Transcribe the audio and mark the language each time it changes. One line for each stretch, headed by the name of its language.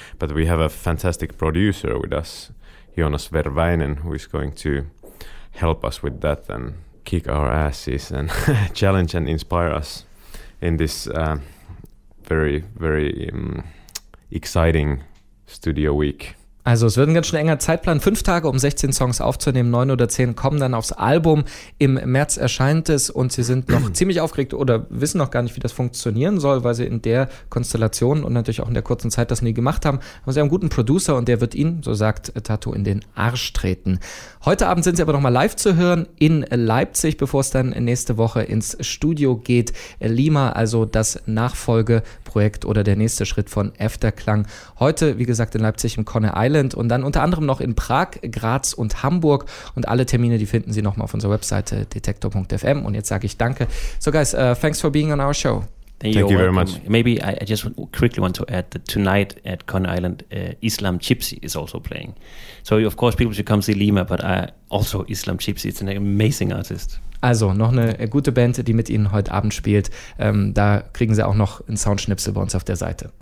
English: But we have a fantastic producer with us, Jonas Verweinen, who is going to help us with that and kick our asses and challenge and inspire us in this very, very exciting studio week.
German: Also es wird ein ganz schön enger Zeitplan. 5 Tage, um 16 Songs aufzunehmen. 9 oder 10 kommen dann aufs Album. Im März erscheint es und Sie sind noch ziemlich aufgeregt oder wissen noch gar nicht, wie das funktionieren soll, weil Sie in der Konstellation und natürlich auch in der kurzen Zeit das nie gemacht haben. Aber Sie haben einen guten Producer und der wird Ihnen, so sagt Tato, in den Arsch treten. Heute Abend sind Sie aber nochmal live zu hören in Leipzig, bevor es dann nächste Woche ins Studio geht. Lima, also das Nachfolgeprojekt oder der nächste Schritt von Efterklang. Heute, wie gesagt, in Leipzig im Conne Island. Und dann unter anderem noch in Prag, Graz und Hamburg. Und alle Termine, die finden Sie nochmal auf unserer Webseite detektor.fm. Und jetzt sage ich danke.
English: So guys, thanks for being on our show. Thank you very much. Maybe I just quickly want to add that tonight at Conne Island, Islam Gypsy is also playing. So of course people should come see Lima, but also Islam Gypsy is an amazing artist.
German: Also noch eine gute Band, die mit Ihnen heute Abend spielt. Da kriegen Sie auch noch einen Soundschnipsel bei uns auf der Seite.